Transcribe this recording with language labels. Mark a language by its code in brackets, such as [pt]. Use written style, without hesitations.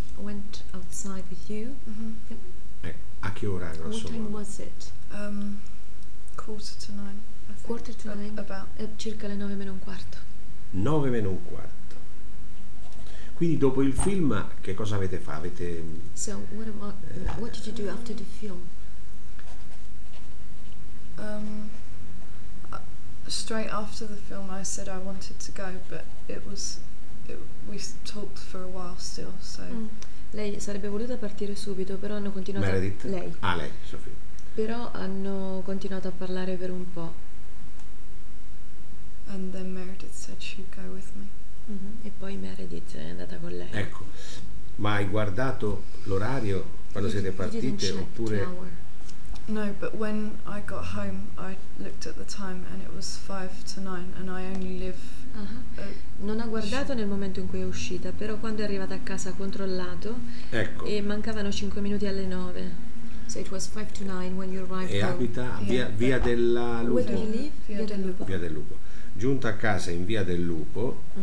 [en] went outside with you. [it] A che ora, grosso [en] what [it] modo? [en] What time was it? Quarter to nine. Quarter to nine, [it] circa le 9:15. 9:15. Quindi dopo il film che cosa avete fatto? Avete [en] so what did you do after the film? Straight after the film I said I wanted to go, but we talked for a while still, so [it] Lei sarebbe voluta partire subito, però hanno continuato. Meredith? Lei. Ah, lei, Sophie. Però hanno continuato a parlare per un po'. [en] And then Meredith said she'd go with me. [it] Mm-hmm. E poi Meredith è andata con lei. Ecco, ma hai guardato l'orario quando siete partite oppure? [en] No, but when I got home I looked at the time and it was 5 to 9 and I only live. [it] Non ha guardato nel momento in cui è uscita, però quando è arrivata a casa ha controllato. Ecco. E mancavano 5 minuti alle 9. [en] So it was 5 to 9 when you arrived. [it] E abita via della Lupo. [en] Where do you live? [it] Via del Lupo. Via del Lupo. Giunta a casa in via del Lupo.